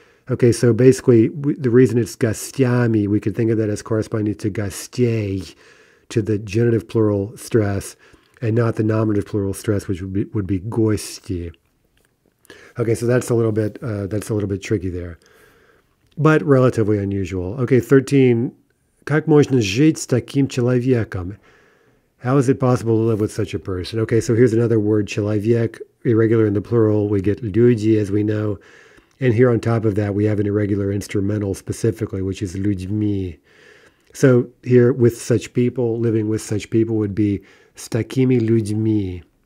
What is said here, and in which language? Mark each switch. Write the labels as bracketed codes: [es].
[en] Okay, so basically the reason it's gastiami, we could think of that as corresponding to gastiei, to the genitive plural stress, and not the nominative plural stress, which would be goisti. Okay, so that's a little bit tricky there, but relatively unusual. Okay, 13. [ru] Как можно жить с таким человеком? [en] How is it possible to live with such a person? Okay, so here's another word, человек, irregular in the plural. We get [ru] люди, [en] as we know. And here on top of that, we have an irregular instrumental specifically, which is людьми. So here, with such people, living with such people would be [ru] с такими людьми.